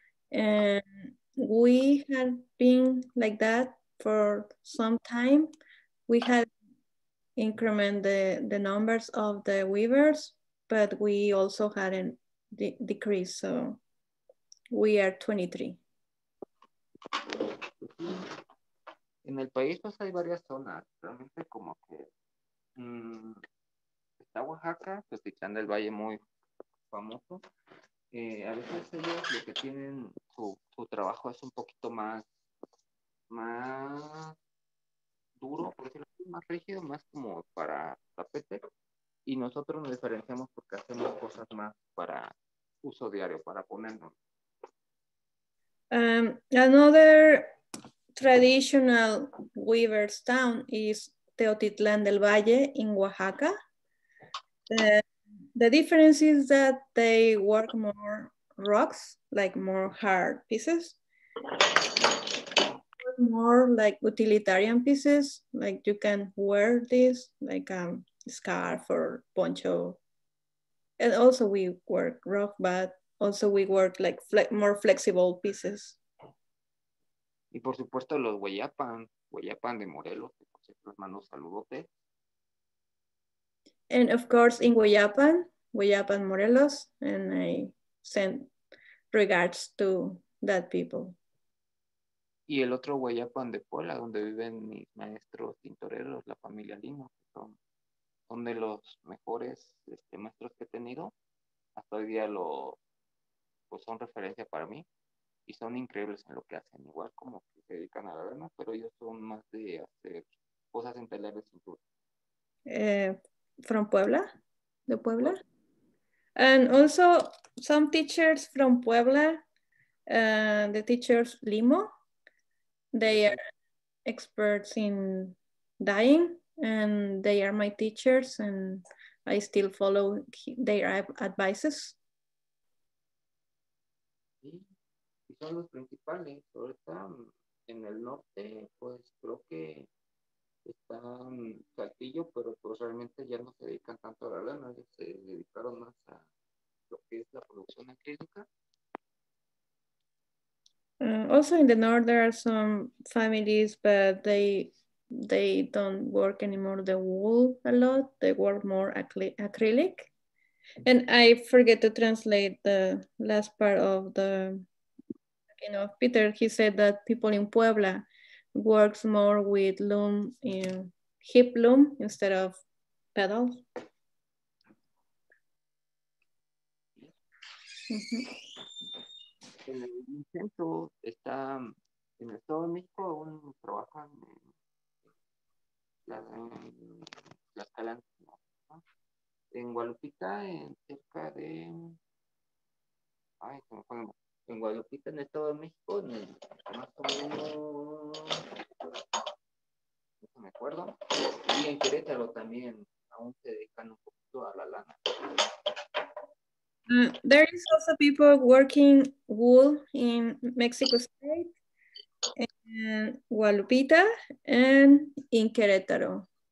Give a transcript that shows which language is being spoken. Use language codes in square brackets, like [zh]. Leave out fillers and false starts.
[en] And we had been like that for some time. We had increment the numbers of the weavers, but we also had a decrease, so we are 23. [es] En el país pues hay varias zonas, realmente como que está Oaxaca, Teotitlán del Valle muy famoso. A veces ellos lo que tienen su trabajo es un poquito más más duro, por decirlo así, más rígido, más como para tapete. Y nosotros nos diferenciamos porque hacemos cosas más para uso diario, para ponernos. [en] Another traditional weaver's town is Teotitlán del Valle in Oaxaca. The difference is that they work more rocks, like more hard pieces. More like utilitarian pieces, like you can wear this, like a scarf or poncho. And also we work rock, but also we work like more flexible pieces. [es] Y por supuesto los Hueyapan, Hueyapan de Morelos, que por cierto les mando saludotes. [en] And of course in Hueyapan, Hueyapan Morelos, and I send regards to that people. [es] Y el otro Hueyapan de Puebla, donde viven mis maestros tintoreros, la familia Lima, que son de los mejores maestros que he tenido. Hasta hoy día pues son referencia para mí. Y son increíbles en lo que hacen, igual como que se dedican a la lana, pero ellos son más de hacer cosas en telar de cintura. [en] From Puebla, [es] de Puebla. [en] And also some teachers from Puebla, the teachers Limo, they are experts in dyeing, and they are my teachers, and I still follow their advices. [es] Son los principales, sobre todo en el norte, pues creo que están Saltillo, pero pues realmente ya no se dedican tanto a la lana, se dedicaron más a lo que es la producción acrílica. [en] Also in the north there are some families, but they don't work anymore the wool a lot, they work more acrylic. And I forget to translate the last part of the, you know, Peter, he said that people in Puebla works more with loom, hip loom instead of pedal. [es] En el centro está, en el estado de México, aún trabajan en las calandras, ¿no? En Guadalupita, en cerca de, ay, ¿cómo podemos? En Guadalupita, en el Estado de México, en el, más o menos, no me acuerdo, y en Querétaro también, aún se dedican un poquito a la lana. [en] There is also people working wool in Mexico State, in Guadalupita, and in Querétaro.